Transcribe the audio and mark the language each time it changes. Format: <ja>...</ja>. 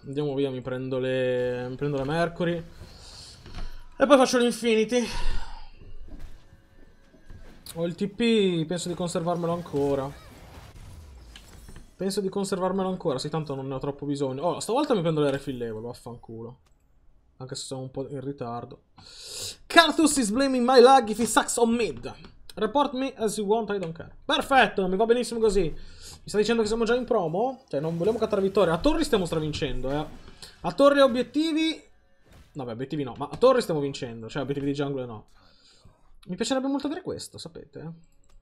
<it>Andiamo via, mi prendo le Mercury. E poi faccio l'Infinity. Ho il TP, penso di conservarmelo ancora. Penso di conservarmelo ancora, sì, tanto non ne ho troppo bisogno. Oh, stavolta mi prendo le refillable, vaffanculo. Anche se sono un po' in ritardo.</it> <en>Karthus is blaming my lag if he sucks on mid. Report me as you want, I don't care.</en> <it>Perfetto, mi va benissimo così. Mi sta dicendo che siamo già in promo? Cioè, non vogliamo cattare vittoria. A torri stiamo stravincendo, eh. A torri obiettivi. Vabbè, obiettivi no, ma a torri stiamo vincendo. Cioè, obiettivi di jungle no. Mi piacerebbe molto avere questo, sapete?</it>